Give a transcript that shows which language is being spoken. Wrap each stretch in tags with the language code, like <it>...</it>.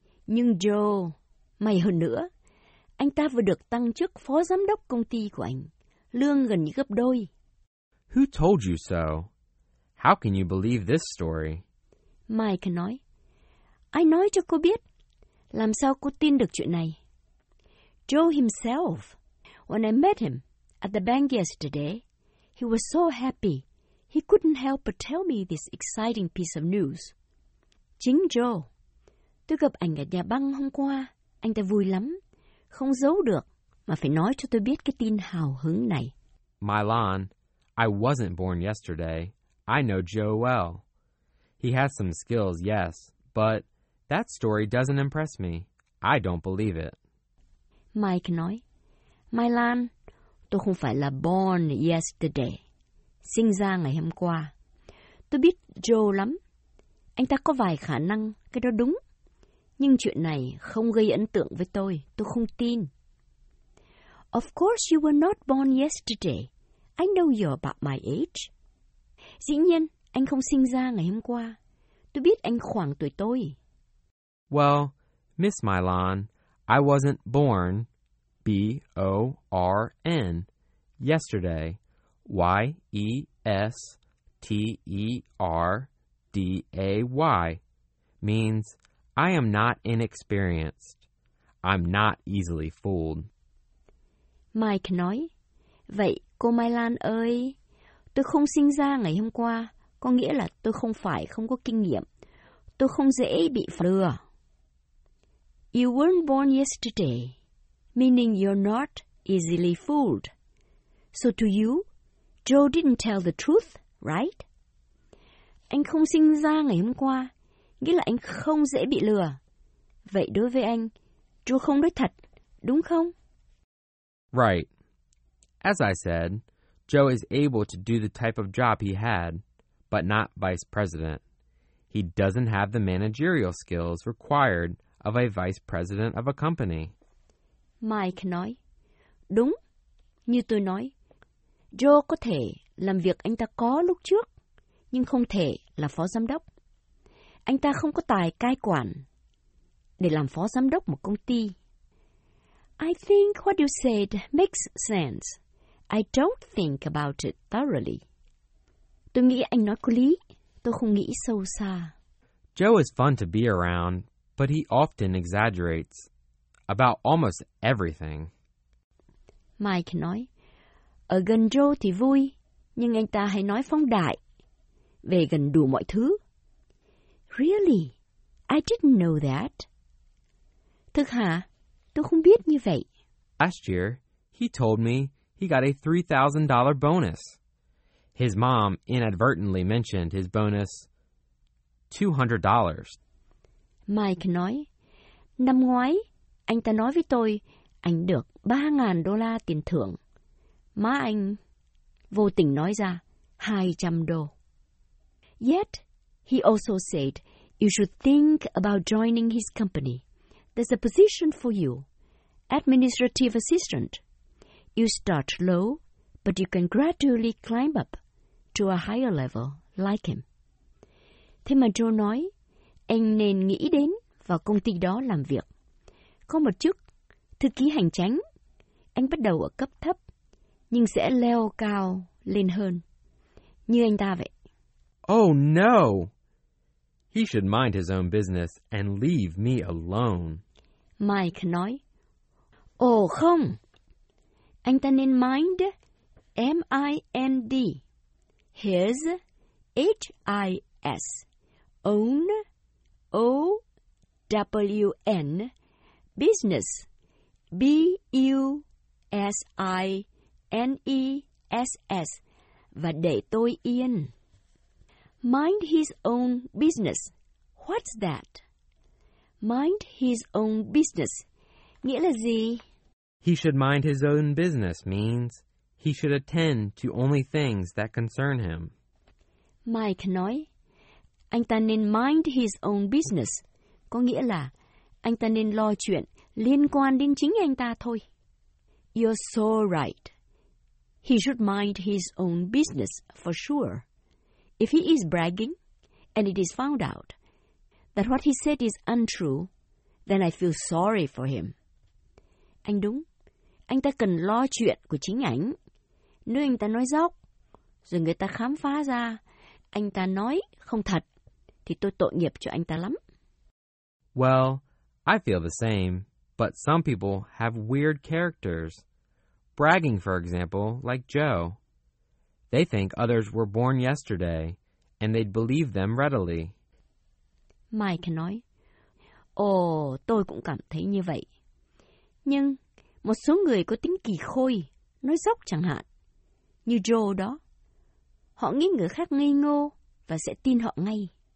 <vi>Nhưng Joe, may hơn nữa, anh ta vừa được tăng chức phó giám đốc công ty của anh, lương gần như gấp đôi.</vi> <en>Who told you so? How can you believe this story?</en> <vi>Mike nói, ai nói cho cô biết? Làm sao cô tin được chuyện này?</vi> <en>Joe himself. When I met him at the bank yesterday, he was so happy. He couldn't help but tell me this exciting piece of news.</en> <vi>Chính Joe. Tôi gặp anh ở nhà băng hôm qua. Anh ta vui lắm. Không giấu được, mà phải nói cho tôi biết cái tin hào hứng này.</vi> <en>Milan, I wasn't born yesterday. I know Joe well. He has some skills, yes, but that story doesn't impress me. I don't believe it.</en> <vi>Mike nói, Milan, tôi không phải là</vi> <en>born yesterday.</en> <vi>Sinh ra ngày hôm qua. Tôi biết Joe lắm. Anh ta có vài khả năng, cái đó đúng. Nhưng chuyện này không gây ấn tượng với tôi. Tôi không tin.</vi> <en>Of course you were not born yesterday. I know you're about my age.</en> <vi>Dĩ nhiên, anh không sinh ra ngày hôm qua. Tôi biết anh khoảng tuổi tôi.</vi> <en>Well, Miss Milan, I wasn't born, B-O-R-N, yesterday, Y-E-S-T-E-R-D-A-Y, means I am not inexperienced. I'm not easily fooled.</en> <vi>Mike nói, vậy cô Milan ơi, tôi không sinh ra ngày hôm qua, có nghĩa là tôi không phải không có kinh nghiệm. Tôi không dễ bị lừa.</vi> <en>You weren't born yesterday, meaning you're not easily fooled. So to you, Joe didn't tell the truth, right?</en> <vi>Anh không sinh ra ngày hôm qua, nghĩa là anh không dễ bị lừa. Vậy đối với anh, Joe không nói thật, đúng không?</vi> <en>Right. As I said, Joe is able to do the type of job he had, but not vice president. He doesn't have the managerial skills required of a vice president of a company.</en> <vi>Mike nói, đúng, như tôi nói, Joe có thể làm việc anh ta có lúc trước, nhưng không thể là phó giám đốc. Anh ta không có tài cai quản để làm phó giám đốc một công ty.</vi> <en>I think what you said makes sense. I don't think about it thoroughly.</en> <vi>Tôi nghĩ anh nói có lý, tôi không nghĩ sâu xa.</vi> <en>Joe is fun to be around, but he often exaggerates about almost everything.</en> <vi>Mike nói, ở gần Joe thì vui, nhưng anh ta hay nói phóng đại về gần đủ mọi thứ.</vi> <en>Really? I didn't know that.</en> <vi>Thực hả? Tôi không biết như vậy.</vi> <en>Last year, he told me he got a $3,000 bonus. His mom inadvertently mentioned his bonus, $200.</en> <vi>Mike nói, năm ngoái, anh ta nói với tôi, anh được $3,000 tiền thưởng. Má anh vô tình nói ra, $200.</vi> <en>Yet, he also said, you should think about joining his company. There's a position for you, administrative assistant. You start low, but you can gradually climb up to a higher level like him.</en> <vi>Thế mà Joe nói, anh nên nghĩ đến vào công ty đó làm việc. Có một chức thư ký hành chính. Anh bắt đầu ở cấp thấp, nhưng sẽ leo cao lên hơn, như anh ta vậy.</vi> <en>Oh no! He should mind his own business and leave me alone.</en> <vi>Mike nói, oh không! Anh ta nên</vi> <en>mind, M-I-N-D, his, H-I-S, own, O-W-N, business, B-U-S-I-N-E-S-S,</en> <vi>và để tôi yên.</vi> <en>Mind his own business. What's that? Mind his own business.</en> <vi>Nghĩa là gì?</vi> <en>He should mind his own business means he should attend to only things that concern him.</en> <vi>Mike nói, anh ta nên</vi> <en>mind his own business.</en> <vi>Có nghĩa là anh ta nên lo chuyện liên quan đến chính anh ta thôi.</vi> <en>You're so right. He should mind his own business for sure. If he is bragging and it is found out that what he said is untrue, then I feel sorry for him.</en> <vi>Anh đúng. Anh ta cần lo chuyện của chính ảnh. Nếu anh ta nói dốc, rồi người ta khám phá ra anh ta nói không thật, thì tôi tội nghiệp cho anh ta lắm.</vi> <en>Well, I feel the same, but some people have weird characters. Bragging, for example, like Joe. They think others were born yesterday, and they'd believe them readily.</en> <vi>Mike nói, ồ, tôi cũng cảm thấy như vậy. Nhưng một số người có tính kỳ khôi, nói dốc chẳng hạn, như Joe đó. Họ nghĩ người khác ngây ngô và sẽ tin họ ngay.</vi>